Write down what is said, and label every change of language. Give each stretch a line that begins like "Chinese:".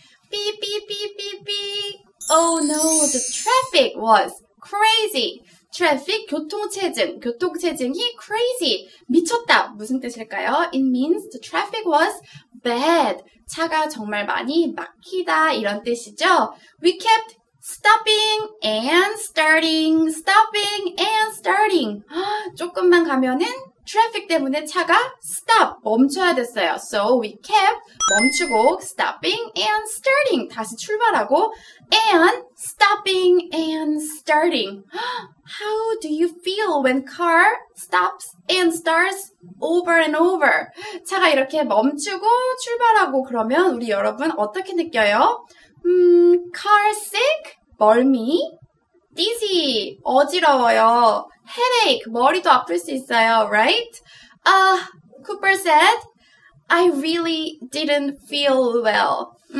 English: Beep, beep, beep, beep, beep. Oh no, the traffic was crazy.
Korean: traffic, 교통체증, 교통체증이 crazy, 미쳤다. 무슨 뜻일까요?
English: It means the traffic was bad.
Korean: 차가 정말 많이 막히다, 이런 뜻이죠.
English: We kept stopping and starting, stopping and starting.
Korean: 조금만 가면은 traffic 때문에 차가 stop, 멈춰야 됐어요.
English: So we kept 멈추고 stopping and starting,
Korean: 다시 출발하고
English: and stopping and starting. How do you feel when car stops and starts over and over?
Korean: 차가 이렇게 멈추고 출발하고 그러면 우리 여러분 어떻게 느껴요?
English: Car sick? 멀미? Dizzy?
Korean: 어지러워요. Headache, 머리도 아플 수 있어요, right?
English: Cooper said, I really didn't feel well.